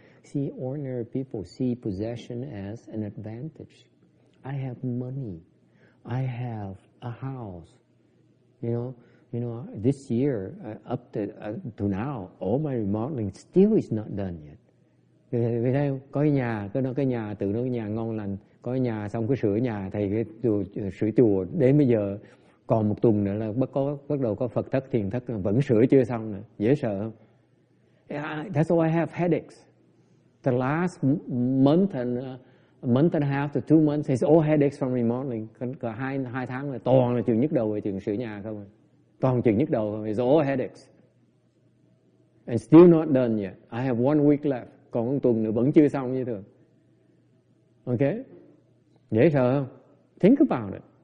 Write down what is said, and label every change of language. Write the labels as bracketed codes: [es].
[en] See, ordinary people see possession as an advantage. I have money, I have a house, you know this year up to now all my remodeling still is not done yet. [vi] Vì thế có cái nhà, cái nhà tự nó cái nhà ngon lành, có nhà xong cứ sửa nhà, thầy cái chùa sửa chùa đến bây giờ còn một tuần nữa là bắt đầu có Phật thất thiền thất vẫn sửa chưa xong nữa, dễ sợ không? [en] That's why I have headaches. The last month and a half to 2 months is all headaches from remodeling. [vi] Cả hai tháng là toàn là chuyện nhức đầu về chuyện sửa nhà không, toàn chuyện nhức đầu không, [en] is all headaches and still not done yet. I have 1 week left, [vi] còn một tuần nữa vẫn chưa xong như thường. [en] Okay. [vi] Dễ sợ không? [en] Think about it.